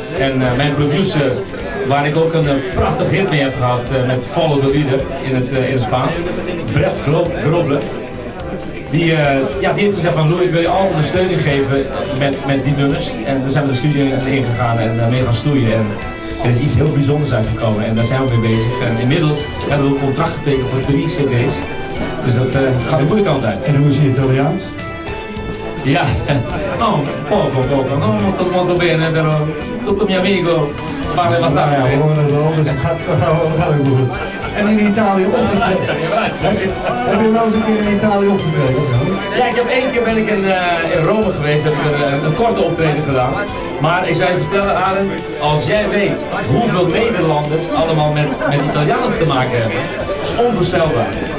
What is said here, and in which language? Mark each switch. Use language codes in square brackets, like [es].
[nl] En mijn producer, waar ik ook een prachtig hit mee heb gehad met Follow the Leader in het Spaans, Brett Groble, die heeft gezegd van Louis, wil je altijd een steun geven met die nummers? En we zijn de studio ingegaan en mee gaan stoeien. En er is iets heel bijzonders uitgekomen en daar zijn we mee bezig. En inmiddels hebben we een contract getekend voor 3 cd's. Dus dat gaat de goede kant uit. En hoe is je Italiaans? [it] Ja, oh, poco, poco, no, molto, molto bene, però tutto mio amico parla bastante. [nl] Ja, we horen het wel, dus gaat ook goed. En in Italië opgetreden? Heb je wel eens een keer in Italië opgetreden? Ja, ik heb één keer ben ik in Rome geweest, heb ik een korte optreden gedaan. Maar ik zou je vertellen, Arend, als jij weet hoeveel Nederlanders allemaal met Italiaans te maken hebben, is onvoorstelbaar.